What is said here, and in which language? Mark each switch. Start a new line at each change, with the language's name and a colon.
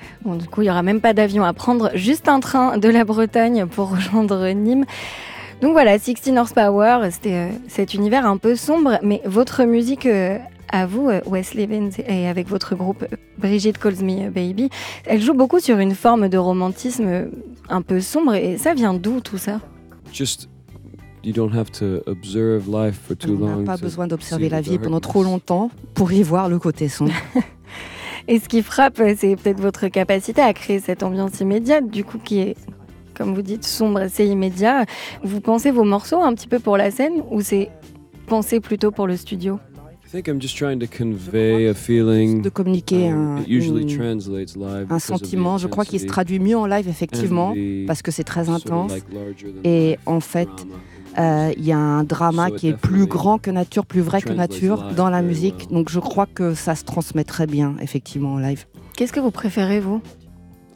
French: Bon, du coup, il n'y aura même pas d'avion à prendre, juste un train de la Bretagne pour rejoindre Nîmes. Donc voilà, 16 Horsepower, c'était cet univers un peu sombre, mais votre musique à vous, Wesley Benz, et avec votre groupe Brigitte Calls Me Baby, elle joue beaucoup sur une forme de romantisme un peu sombre, et ça vient d'où tout ça?
English: Just, you don't have to observe life for too long.
French: On n'a pas besoin d'observer la vie pendant trop longtemps pour y voir le côté sombre. Et ce qui frappe, c'est peut-être votre capacité à créer cette ambiance immédiate, du coup, qui est, comme vous dites, sombre, c'est immédiat. Vous pensez vos morceaux un petit peu pour la scène ou c'est pensé plutôt pour le studio ?
English: I think I'm just trying to convey a feeling.
French: De communiquer un sentiment. Je crois qu'il se traduit mieux en live, effectivement, parce que c'est très intense.
English: Sort of like
French: et en fait, il y a un drama qui est plus grand que nature, plus vrai que nature dans la musique.
English: Well.
French: Donc je crois que ça se transmet très bien, effectivement, en live. Qu'est-ce que vous préférez, vous ?